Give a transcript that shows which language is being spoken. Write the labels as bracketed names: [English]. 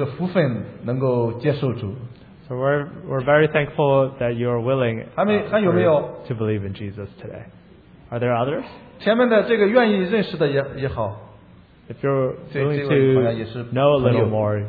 [Chinese] 非常祝贺这些今天有这个勇气、有这个福分能够接受主。 [English] So we're very thankful that you are willing to believe in Jesus today. Are there others? [Chinese] 前面的这个愿意认识的也好, [English] if you're willing to know a little more,